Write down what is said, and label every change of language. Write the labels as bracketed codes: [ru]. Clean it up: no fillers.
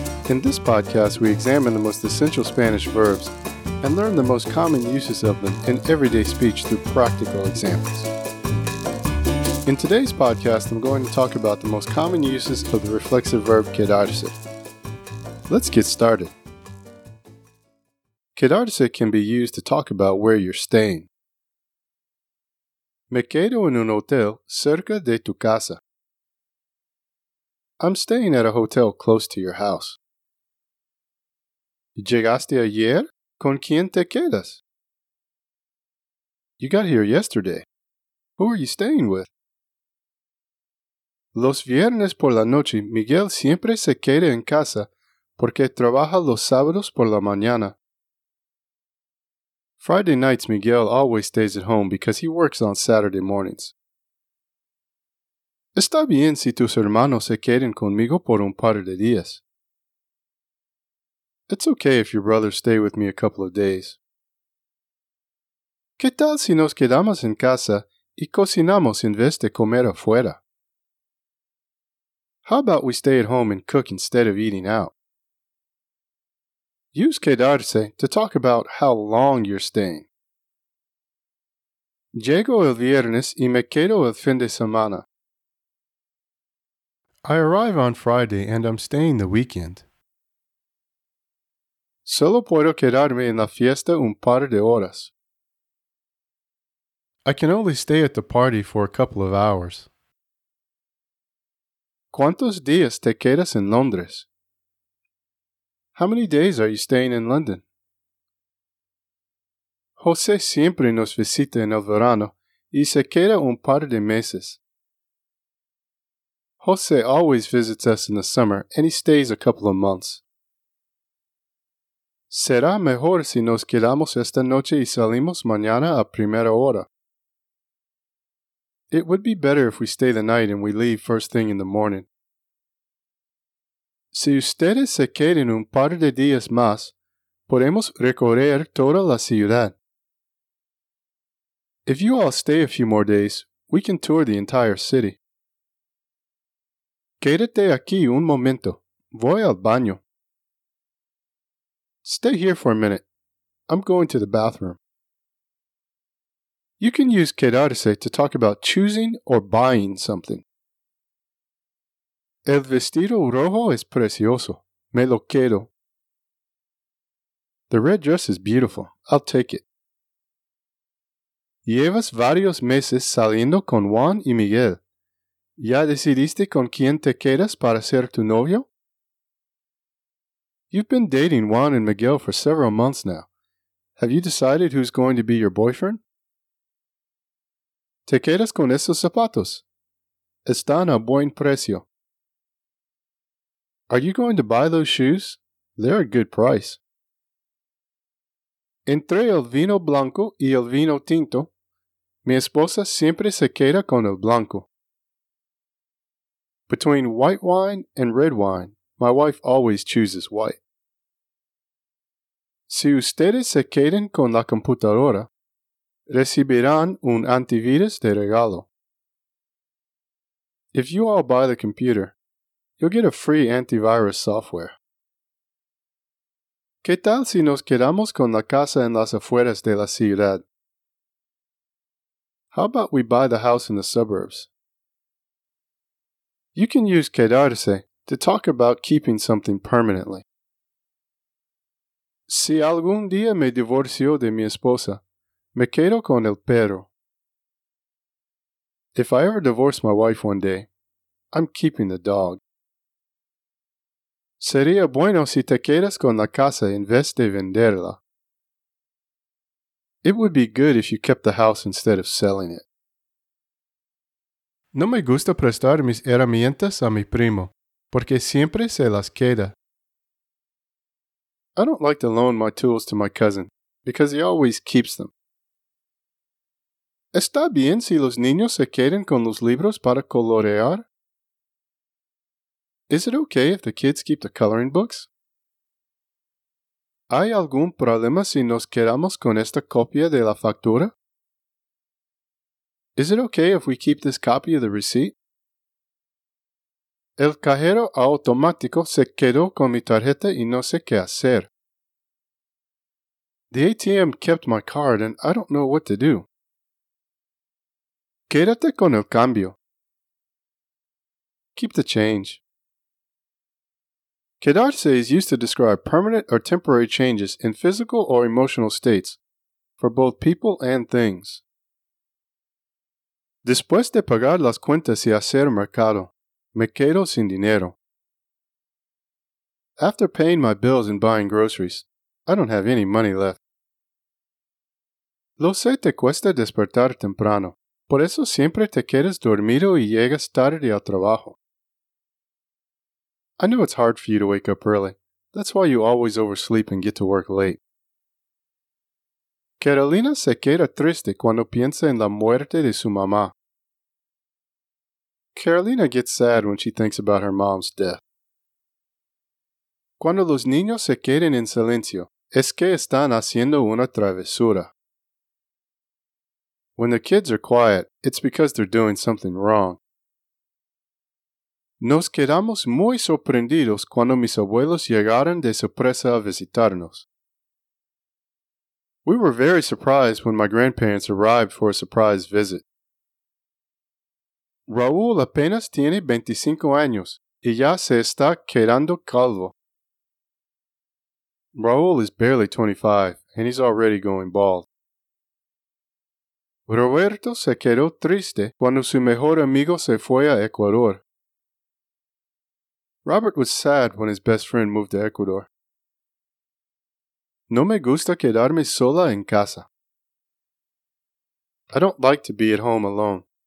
[en] In this podcast, we examine the most essential Spanish verbs and learn the most common uses of them in everyday speech through practical examples. In today's podcast, I'm going to talk about the most common uses of the reflexive verb quedarse. Let's get started. Quedarse can be used to talk about where you're staying. [es] Me quedo en un hotel cerca de tu casa. [en] I'm staying at a hotel close to your house. [es] ¿Llegaste ayer? ¿Con quién te quedas? [en] You got here yesterday. Who are you staying with? [es] Los viernes por la noche, Miguel siempre se queda en casa porque trabaja los sábados por la mañana. [en] Friday nights, Miguel always stays at home because he works on Saturday mornings. [es] Está bien si tus hermanos se queden conmigo por un par de días. [en] It's okay if your brothers stay with me a couple of days. [es] ¿Qué tal si nos quedamos en casa y cocinamos en vez de comer afuera? [en] How about we stay at home and cook instead of eating out? Use quedarse to talk about how long you're staying. [es] Llego el viernes y me quedo el fin de semana. [en] I arrive on Friday and I'm staying the weekend. [es] Solo puedo quedarme en la fiesta un par de horas. [en] I can only stay at the party for a couple of hours. [es] ¿Cuántos días te quedas en Londres? [en] How many days are you staying in London? [es] José siempre nos visita en el verano y se queda un par de meses. [en] José always visits us in the summer and he stays a couple of months. [es] ¿Será mejor si nos quedamos esta noche y salimos mañana a primera hora? [en] It would be better if we stay the night and we leave first thing in the morning. [es] Si ustedes se quedan un par de días más, podemos recorrer toda la ciudad. [en] If you all stay a few more days, we can tour the entire city. [es] Quédate aquí un momento. Voy al baño. [en] Stay here for a minute. I'm going to the bathroom. You can use quedarse to talk about choosing or buying something. [es] El vestido rojo es precioso. Me lo quedo. [en] The red dress is beautiful. I'll take it. [es] Llevas varios meses saliendo con Juan y Miguel. ¿Ya decidiste con quién te quedas para ser tu novio? [en] You've been dating Juan and Miguel for several months now. Have you decided who's going to be your boyfriend? [es] ¿Te quedas con esos zapatos? Están a buen precio. [en] Are you going to buy those shoes? They're a good price. [es] Entre el vino blanco y el vino tinto, mi esposa siempre se queda con el blanco. [en] Between white wine and red wine, my wife always chooses white. [es] Si ustedes se quedan con la computadora, recibirán un antivirus de regalo. [en] If you all buy the computer, you'll get a free antivirus software. [es] ¿Qué tal si nos quedamos con la casa en las afueras de la ciudad? [en] How about we buy the house in the suburbs? You can use quedarse to talk about keeping something permanently. [es] Si algún día me divorcio de mi esposa, me quedo con el perro. [en] If I ever divorce my wife one day, I'm keeping the dog. [es] Sería bueno si te quedas con la casa en vez de venderla. [en] It would be good if you kept the house instead of selling it. [es] No me gusta prestar mis herramientas a mi primo, porque siempre se las queda. [en] I don't like to loan my tools to my cousin, because he always keeps them. [es] ¿Está bien si los niños se quedan con los libros para colorear? [en] Is it okay if the kids keep the coloring books? [es] ¿Hay algún problema si nos quedamos con esta copia de la factura? [en] Is it okay if we keep this copy of the receipt? [es] El cajero automático se quedó con mi tarjeta y no sé qué hacer. [en] The ATM kept my card and I don't know what to do. [es] Quédate con el cambio. [en] Keep the change. Quedarse is used to describe permanent or temporary changes in physical or emotional states for both people and things. [es] Después de pagar las cuentas y hacer mercado, me quedo sin dinero. [en] After paying my bills and buying groceries, I don't have any money left. [es] Lo sé, te cuesta despertar temprano. Por eso siempre te quedas dormido y llegas tarde al trabajo. [en] I know it's hard for you to wake up early. That's why you always oversleep and get to work late. [es] Carolina se queda triste cuando piensa en la muerte de su mamá. [en] Carolina gets sad when she thinks about her mom's death. [es] Cuando los niños se queden en silencio, es que están haciendo una travesura. [en] When the kids are quiet, it's because they're doing something wrong. [es] Nos quedamos muy sorprendidos cuando mis abuelos llegaron de sorpresa a visitarnos. [en] We were very surprised when my grandparents arrived for a surprise visit. [es] Raúl apenas tiene 25 años y ya se está quedando calvo. [en] Raúl is barely 25 and he's already going bald. [es] Roberto se quedó triste cuando su mejor amigo se fue a Ecuador. [en] Robert was sad when his best friend moved to Ecuador. [es] No me gusta quedarme sola en casa. [en] I don't like to be at home alone.